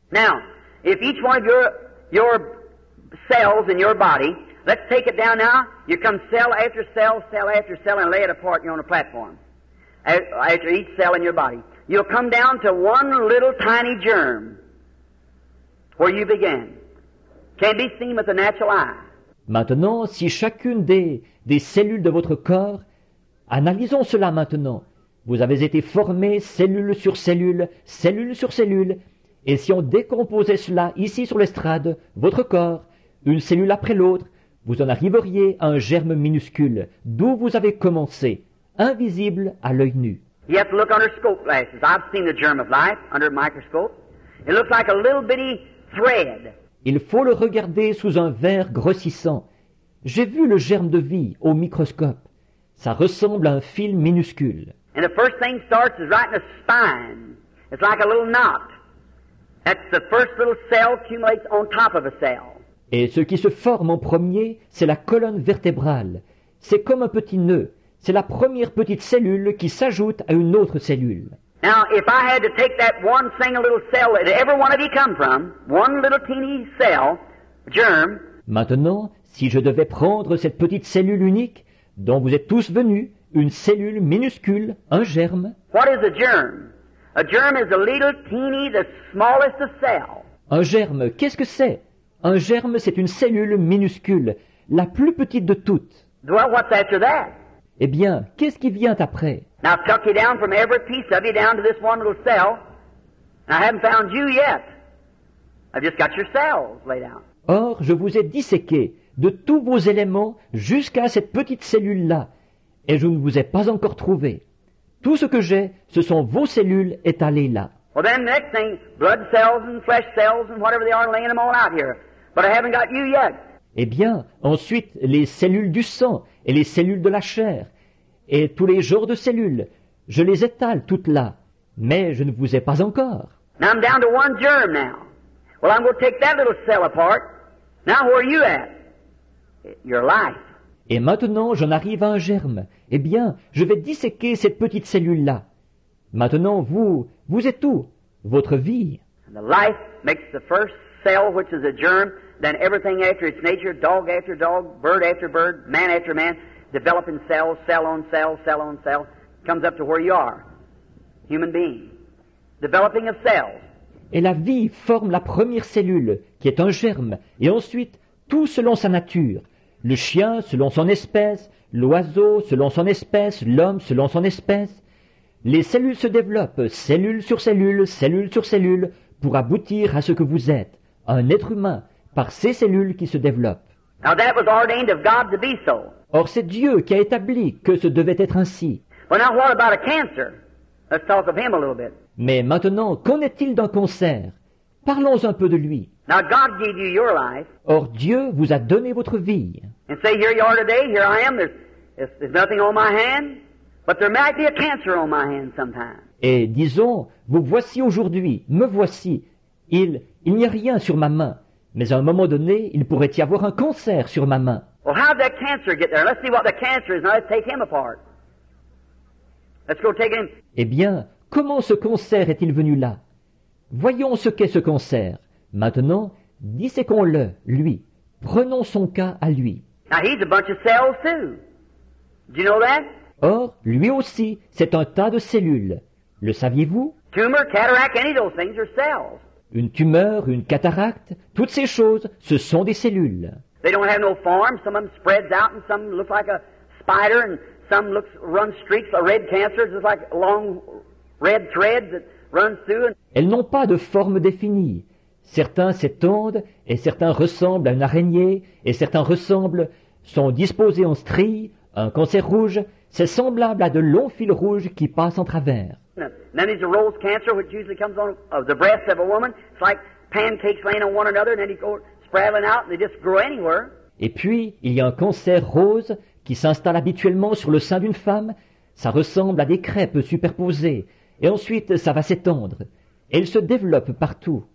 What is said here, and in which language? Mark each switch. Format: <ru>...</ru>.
<en>Now, if each one of your cells in your body, let's take it down now, you come cell after cell, cell after cell, and lay it apart on a platform, after each cell in your body. You'll come down to one little tiny germ where you began. Can't be seen with the natural eye.</en> <fr>Maintenant, si chacune des cellules de votre corps, analysons cela maintenant. Vous avez été formé cellule sur cellule, cellule sur cellule, et si on décomposait cela ici sur l'estrade, votre corps, une cellule après l'autre, vous en arriveriez à un germe minuscule, d'où vous avez commencé, invisible à l'œil nu.</fr> <en>You have to look under scope glasses. I've seen the germ of life under a microscope. It looks like a little bitty thread.</en> <fr>Il faut le regarder sous un verre grossissant. J'ai vu le germe de vie au microscope. Ça ressemble à un fil minuscule.</fr> <en>And the first thing starts is right in the spine. It's like a little knot. That's the first little cell accumulates on top of a cell.</en> <fr>Et ce qui se forme en premier, c'est la colonne vertébrale. C'est comme un petit nœud. C'est la première petite cellule qui s'ajoute à une autre cellule.</fr> <en>Now, if I had to take that one single little cell that every one of you come from, one little teeny cell, germ.</en> <fr>Maintenant, si je devais prendre cette petite cellule unique dont vous êtes tous venus, une cellule minuscule, un germe.</fr> <en>What is a germ? A germ is a little teeny, the smallest of cells.</en> <fr>Un germe, qu'est-ce que c'est? Un germe, c'est une cellule minuscule, la plus petite de toutes.</fr> <en>Well, what's after that?</en> <fr>Eh bien, qu'est-ce qui vient après?</fr> <en>Now, I've tucked you down from every piece of you down to this one little cell. And I haven't found you yet. I've just got your cells laid out.</en> <fr>Or, je vous ai disséqué de tous vos éléments jusqu'à cette petite cellule-là. Et je ne vous ai pas encore trouvé. Tout ce que j'ai, ce sont vos cellules étalées là.</fr> <en>Well, then, the next thing, blood cells and flesh cells and whatever they are, laying them all out here. But I haven't got you yet.</en> <fr>Eh bien, ensuite, les cellules du sang et les cellules de la chair et tous les genres de cellules, je les étale toutes là. Mais je ne vous ai pas encore.</fr> <en>Now I'm down to one germ now. Well, I'm going to take that little cell apart. Now where are you at? Your life.</en> <fr>Et maintenant, j'en arrive à un germe. Eh bien, je vais disséquer cette petite cellule-là. Maintenant, vous êtes où? Votre vie.</fr> <en>The life makes the first cell, which is a germ, then everything after its nature, dog after dog, bird after bird, man after man, developing cells, cell on cell, cell on cell, comes up to where you are, human being, developing of cells.</en> <fr>Et la vie forme la première cellule, qui est un germe, et ensuite, tout selon sa nature. Le chien selon son espèce, l'oiseau selon son espèce, l'homme selon son espèce. Les cellules se développent, cellule sur cellule, pour aboutir à ce que vous êtes, un être humain, par ces cellules qui se développent.</fr> <en>Now that was ordained of God to be so.</en> <fr>Or c'est Dieu qui a établi que ce devait être ainsi.</fr> <en>Well, now what about a cancer? Let's talk of him a little bit.</en> <fr>Mais maintenant, qu'en est-il d'un cancer? Parlons un peu de lui.</fr> <en>Now God gave you your life.</en> <fr>Or Dieu vous a donné votre vie.</fr> <en>And say here you are today, here I am, there's nothing on my hand, but there might be a cancer on my hand sometime.</en> <fr>Et disons, vous voici aujourd'hui, me voici, il n'y a rien sur ma main, mais à un moment donné, il pourrait y avoir un cancer sur ma main.</fr> <en>Well, how did that cancer get there? Let's see what the cancer is, now let's take him apart. Let's go take him.</en> <fr>Eh bien, comment ce cancer est-il venu là? Voyons ce qu'est ce cancer. Maintenant, disséquons-le, lui. Prenons son cas à lui.</fr> <en>Now he's a bunch of cells too. Do you know that?</en> <fr>Or, lui aussi, c'est un tas de cellules. Le saviez-vous?</fr> <en>Tumor, cataract, any of those things are cells.</en> <fr>Une tumeur, une cataracte, toutes ces choses, ce sont des cellules.</fr> <en>They don't have no form. Some of them spreads out, and some look like a spider, and some looks run streaks, a red cancer, just like long red threads that run through.</en> <fr>Elles n'ont pas de forme définie. Certains s'étendent, et certains ressemblent à une araignée, et certains ressemblent, sont disposés en stries, un cancer rouge. C'est semblable à de longs fils rouges qui passent en travers.</fr> <en>Then there's a rose cancer, which usually comes on the breast of a woman. It's like pancakes laying on one another, and then you go spraying out, and they just grow anywhere.</en> <fr>Et puis, il y a un cancer rose qui s'installe habituellement sur le sein d'une femme. Ça ressemble à des crêpes superposées. Et ensuite, ça va s'étendre. Et il se développe partout.</fr>